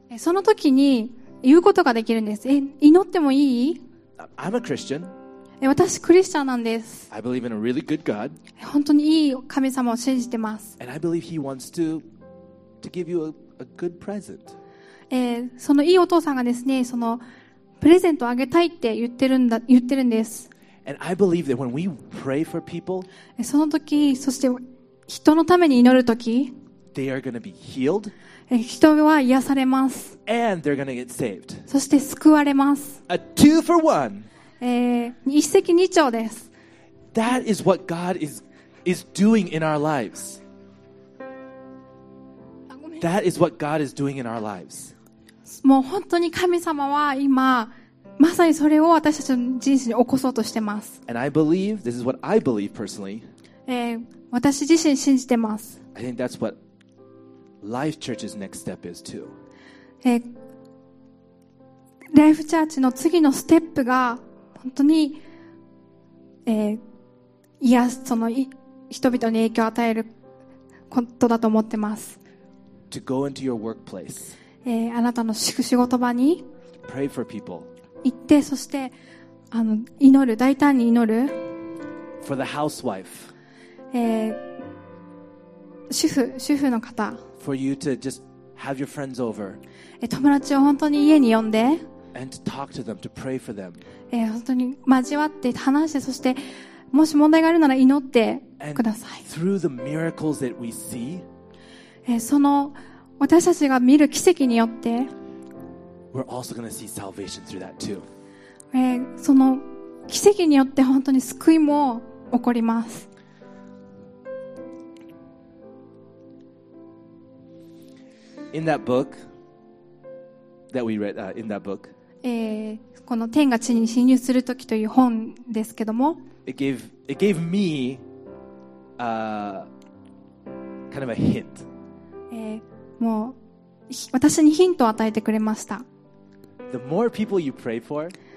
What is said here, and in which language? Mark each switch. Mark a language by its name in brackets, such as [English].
[Japanese] その時に言うことができるんです。祈ってもいい？ [English] I'm a Christian. [Japanese] 私クリスチャンなんです。 [English] I believe in a really good God. [Japanese] 本当にいい神様を信じてます。 [English] And I believe he wants to give you a good present. [Japanese] そのいいお父さんがですね、そのプレゼントをあげたいって言ってるんです。 [English] And I believe that when we pray for people, [Japanese] その時、そして人のために祈る時、 [English] they are going to be healed, [Japanese] 人は癒されます。 [English] And they're going to get saved. [Japanese] そして救われます。 [English] A two for one. [Japanese] 一石二鳥です。 [English] That is what God is doing in our lives. That is what God is doing in our lives. [Japanese] もう本当に神様は今、まさにそれを私たちの人生に起こそうとしてます。 [English] And I believe, this is what I believe personally. [Japanese] 私自身信じてます。 [English] I think that's what Life Church's next step is too. [Japanese] Life Church の次のステップが本当に、いや、その人々に影響を与えることだと思ってます。 [English] To go into your workplace. [Japanese] あなたの仕事場に。 [English] Pray for people. [Japanese] 行って、そして祈る、大胆に祈る。 [English] f for the housewife. [Japanese] 主婦の方。 [English] For you to just have your friends over. [Japanese] 友達を本当に家に呼んで。 [English] And to talk to them, to pray for them. [Japanese] 本当に交わって話して、そしてもし問題があるなら祈ってください。 [English] And through the miracles that we see. [Japanese] その私たちが見る奇跡によって。 [English] We're also going to see salvation through that too. [Japanese] その奇跡によって本当に救いも起こります。 [English] In that book that we read, in that book, [Japanese] この天が地に侵入するときという本ですけども、 [English] it gave me kind of a hint. [Japanese] もう私にヒントを与えてくれました。 [English] The more people you pray for,